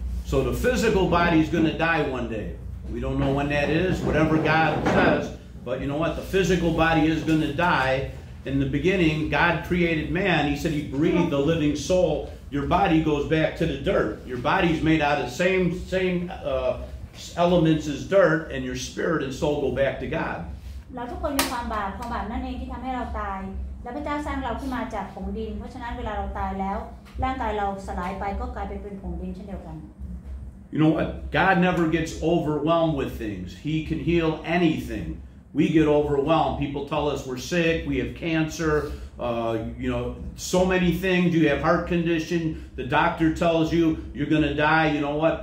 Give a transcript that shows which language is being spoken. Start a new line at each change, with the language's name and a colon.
English: So the physical body is going to die one day. We don't know when that is, whatever God says. But you know what? The physical body is going to die. In the beginning, God created man. He said he breathed the living soul. Your body goes back to the dirt. Your body's made out of the same elements as dirt, and your spirit and soul go back to God.
Thai: เราทุกคนมีความบาปความบาปนั่นเองที่ทำให้เราตายและพระเจ้าสร้างเราขึ้นมาจากผงดินเพราะฉะนั้นเวลาเราตายแล้วร่างกายเราสลายไปก็กลายไปเป็นผงดินเช่นเดียวกัน
English: You know what? God never gets overwhelmed with things. He can heal anything. We get overwhelmed. People tell us we're sick, we have cancer, so many things. You have heart condition. The doctor tells you you're going to die. You know what?